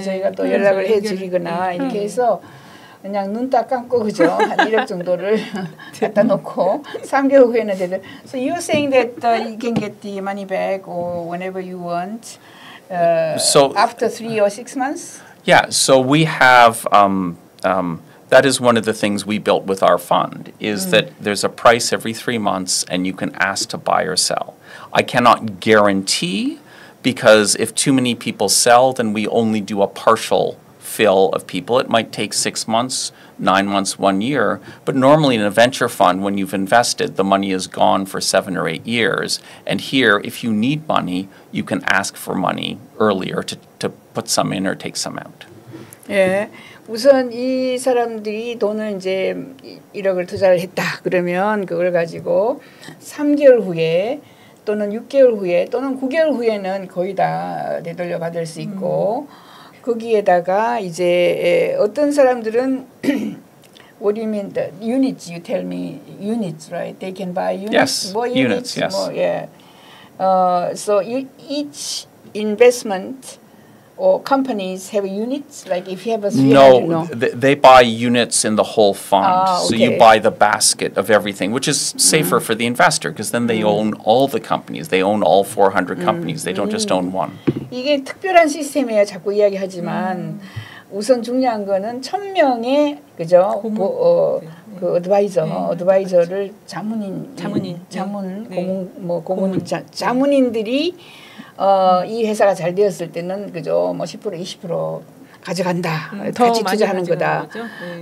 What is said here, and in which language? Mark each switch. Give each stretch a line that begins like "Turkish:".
Korean: 저희가 또 연락을 해드리거나 이렇게 해서 그냥 눈 딱 감고 그죠 한 1억 정도를 갖다 놓고 3개월 후에는 되들.
English: So you're saying that you can get the money back or whenever you want. So after 3 or 6 months. Yeah. So we have. That is one of the things we built with our fund, is that there's a price every 3 months and you can ask to buy or sell. I cannot guarantee, because if too many people sell, then we only do a partial fill of people. It might take 6 months, 9 months, 1 year, but normally in a venture fund, when you've invested, the money is gone for 7 or 8 years. And here, if you need money, you can ask for money earlier to put some in or take some out. Yeah.
Korean: 우선 이 사람들이 돈을 이제 1억을 투자를 했다 그러면 그걸 가지고 3개월 후에 또는 6개월 후에 또는 9개월 후에는 거의 다 되돌려 받을 수 있고 거기에다가 이제 어떤 사람들은
English: What do you mean? The units, you tell me. Units, right? They can buy units. Yes, more units, yes. More, yeah. So each investment or companies have units, like if you have a 300, no, they buy units in the whole fund. Ah, okay. So you buy the basket of everything, which is safer for the investor because then they own all the companies. They own all 400 companies. They don't just own one.
Korean: 이게 특별한 시스템이야 자꾸 이야기하지만 우선 중요한 거는 1,000명의 그죠? 고문. 그 어드바이저, 네. 어드바이저를 자문인, 자문인, 자문, 네. 고문, 뭐 고문, 자문인들이 이 회사가 잘 되었을 때는 그죠 뭐 10% 20% 가져간다 같이 투자하는 거다. 네.